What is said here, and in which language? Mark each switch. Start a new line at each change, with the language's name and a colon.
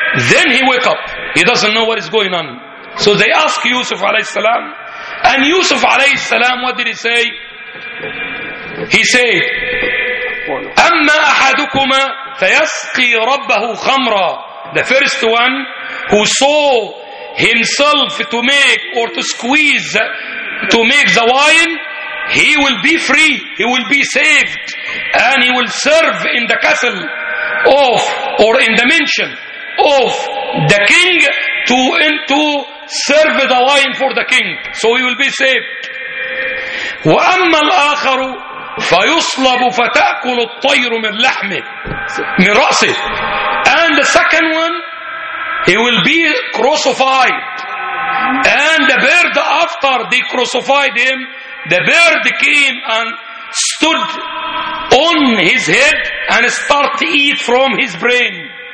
English: Then he wake up, he doesn't know what is going on. So they ask Yusuf alayhi salam, and Yusuf alayhi salam, what did he say? He said,
Arabic: أما أحدكما فيسقي ربه خمرا.
English: The first one who saw himself to make or to squeeze to make the wine, he will be free, he will be saved, and he will serve in the castle of or in the mansion of the king to serve the wine for the king. So he will be saved.
Arabic: وأما الآخر فيصلب فتأكل الطير من لحمه من رأسه.
English: And the second one, he will be crucified. And the bird, after they crucified him, the bird came and stood on his head and start to eat from his brain.